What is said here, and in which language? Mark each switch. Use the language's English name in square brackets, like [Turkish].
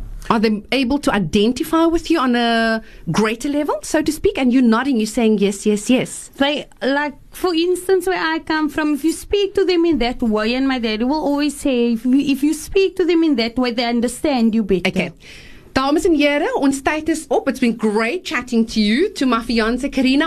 [English] Are they able to identify with you on a greater level, so to speak? And you're nodding, you're saying yes, yes, yes. They, like, for instance, where I come from, if you speak to them in that way, and my daddy will always say, if you speak to them in that way, they understand you better. Okay. [Afrikaans] Dames en heren, ons tijd is op. [English] It's been great chatting to you, to my fiance Karina.